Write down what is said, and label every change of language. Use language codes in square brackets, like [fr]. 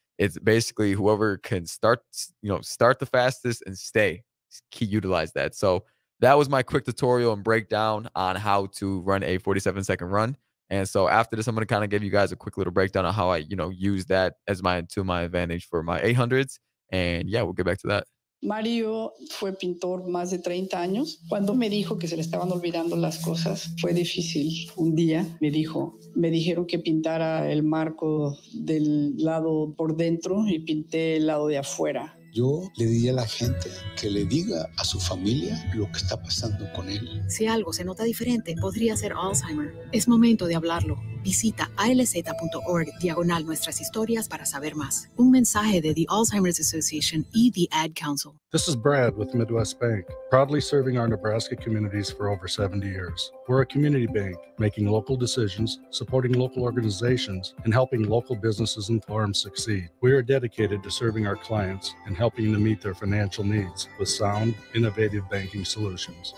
[en] It's basically whoever can start the fastest and stay, key utilize that. So that was my quick tutorial and breakdown on how to run a 47 second run. And so after this, I'm going to kind of give you guys a quick little breakdown on how I, you know, use that as my to my advantage for my 800s. And yeah, we'll get back to that. [es] Mario fue pintor más de 30 años. Cuando me dijo que se le estaban olvidando las cosas, fue difícil. Un día me dijo, me dijeron que pintara el marco del lado por dentro y pinté el lado de afuera. Yo le di a la gente que le diga a su familia lo que está pasando con él. Si algo se nota diferente, podría ser Alzheimer. Es momento de hablarlo. Visita alz.org/nuestras historias para saber más. Un mensaje de the Alzheimer's Association y the Ad Council. [en] This is Brad with Midwest Bank, proudly serving our Nebraska communities for over 70 years. We're a community bank, making local decisions, supporting local organizations, and helping local businesses and farms succeed. We are dedicated to serving our clients and helping to meet their financial needs with sound, innovative banking solutions.